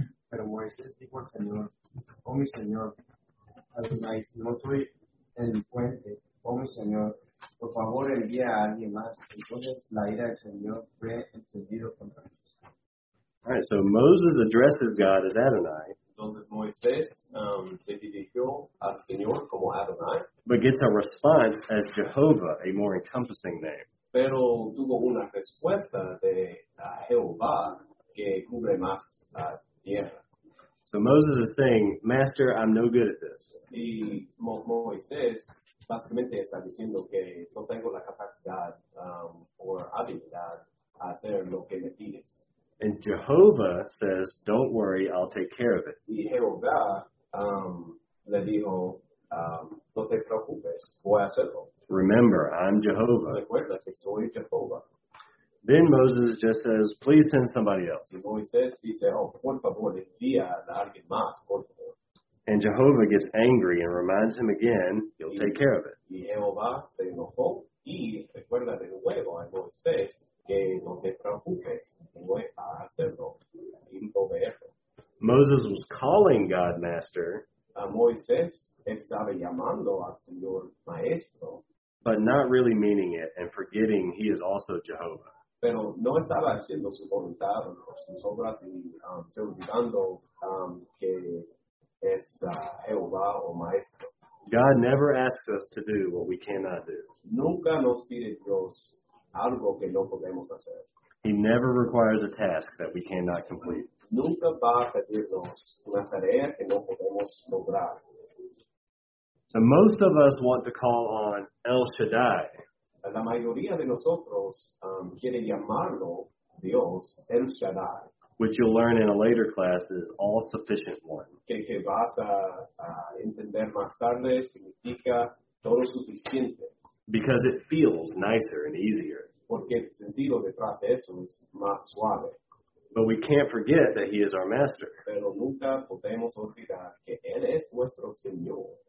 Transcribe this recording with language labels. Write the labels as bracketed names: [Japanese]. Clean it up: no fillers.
[Spanish] Pero Moisés dijo al Señor, oh mi Señor, Adonai, no soy el puente, oh mi Señor, por favor envía a alguien más, entonces la ira del Señor fue encendido contra mí. [English] All right, so Moses addresses God as Adonai. [Spanish] Entonces Moisés se dirigió al Señor como Adonai. [English] But gets a response as Jehovah, a more encompassing name. [Spanish] Pero tuvo una respuesta de Jehová que cubre más tierra. [English] So Moses is saying, "Master, I'm no good at this." [Spanish] Y Moisés básicamente está diciendo que no tengo la capacidad o habilidad a hacer lo que me pides. [English] And Jehovah says, "Don't worry, I'll take care of it." [Spanish] Y Jehová le dijo, "No te preocupes, voy a hacerlo." [English] Remember, I'm Jehovah. [Spanish] Recuerda que soy Jehová. [English] Then Moses just says, "Please send somebody else." [Spanish] Y Moisés dice, "Oh, por favor, envía a alguien más, por favor." [English] And Jehovah gets angry and reminds him again, "You'll take care of it." [Spanish] Y Jehová se enojó y recuerda de nuevo a Moisés. Que no te preocupes, voy a hacerlo y proveerlo. [English] Moses was calling God Master. [Spanish] Moisés estaba llamando al Señor Maestro. [English] But not really meaning it and forgetting he is also Jehovah. [Spanish] Pero no estaba haciendo su voluntad o sus obras y se olvidando que es Jehová o Maestro. [English] God never asks us to do what we cannot do. [Spanish] Nunca nos pide Dios. Algo que no podemos hacer. [English] He never requires a task that we cannot complete. [Spanish] Nunca va a pedirnos una tarea que no podemos lograr. [English] So most of us want to call on El Shaddai. [Spanish] La mayoría de nosotros quiere llamarlo Dios El Shaddai. [English] Which you'll learn in a later class is All Sufficient One. [Spanish] Que vas a entender más tarde significa todo suficiente. [English] Because it feels nicer and easier. [Spanish] Porque el sentido detrás de eso es más suave. [English] But we can't forget that he is our master. [Spanish] Pero nunca podemos olvidar que él es nuestro Señor.